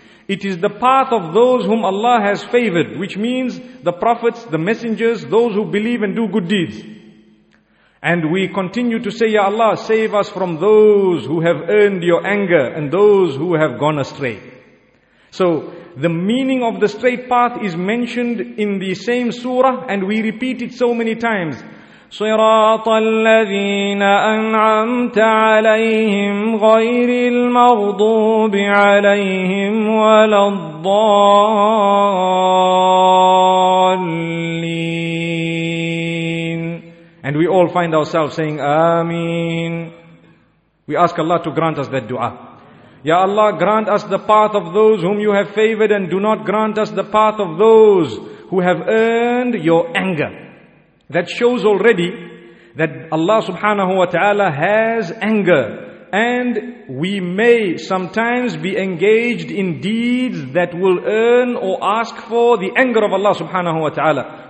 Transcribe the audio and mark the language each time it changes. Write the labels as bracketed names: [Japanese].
[English] It is the path of those whom Allah has favored, which means the prophets, the messengers, those who believe and do good deeds. And we continue to say, Ya Allah, save us from those who have earned your anger and those who have gone astray. So the meaning of the straight path is mentioned in the same surah, and we repeat it so many times. [Arabic] صراط الذين أنعمت عليهم غير المغضوب عليهم ولا الضالين. [English] And we all find ourselves saying Ameen. We ask Allah to grant us that dua. Ya Allah, grant us the path of those whom you have favored, and do not grant us the path of those who have earned your anger. That shows already that Allah subhanahu wa ta'ala has anger, and we may sometimes be engaged in deeds that will earn or ask for the anger of Allah subhanahu wa ta'ala.